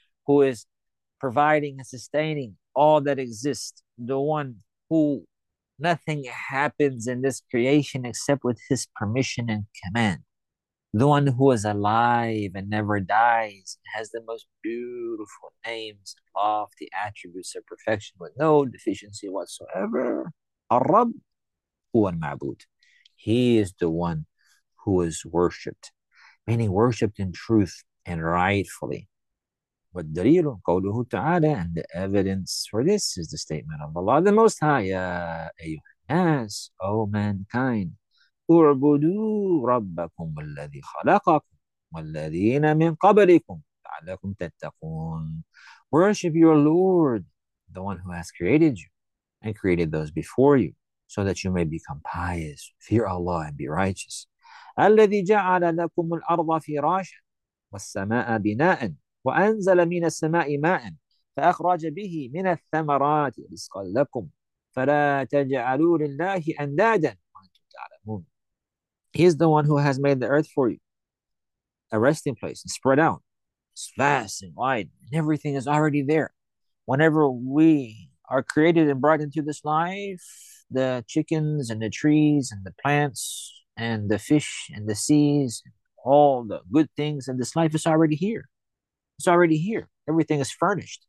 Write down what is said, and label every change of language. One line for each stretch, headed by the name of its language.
English: who is providing and sustaining all that exists, the one who nothing happens in this creation except with his permission and command, the one who is alive and never dies, has the most beautiful names, lofty attributes of perfection with no deficiency whatsoever.
Arabic: Ar-Rabb huwa al-Ma'bud.
English: He is the one who is worshipped, meaning worshipped in truth and rightfully.
Arabic: وَالدَّلِيلُ قَوْلُهُ تَعَالَى.
English: And the evidence for this is the statement of Allah the Most High.
Arabic: يَا أَيُّهَا النَّاسُ,
English: O mankind,
Arabic: اعبدوا ربكم الذي خلقكم والذين من قبلكم لعلكم تتقون.
English: Worship your Lord, the one who has created you and created those before you, so that you may become pious. Fear Allah and be righteous.
Arabic: الذي جعل لكم الأرض فراشا والسماء بناء وأنزل من السماء ماء فأخرج به من الثمرات رزقا لكم فلا تجعلوا لله أندادا.
English: He is the one who has made the earth for you a resting place and spread out. It's vast and wide, and everything is already there. Whenever we are created and brought into this life, the chickens and the trees and the plants and the fish and the seas, all the good things of this life is already here. It's already here. Everything is furnished.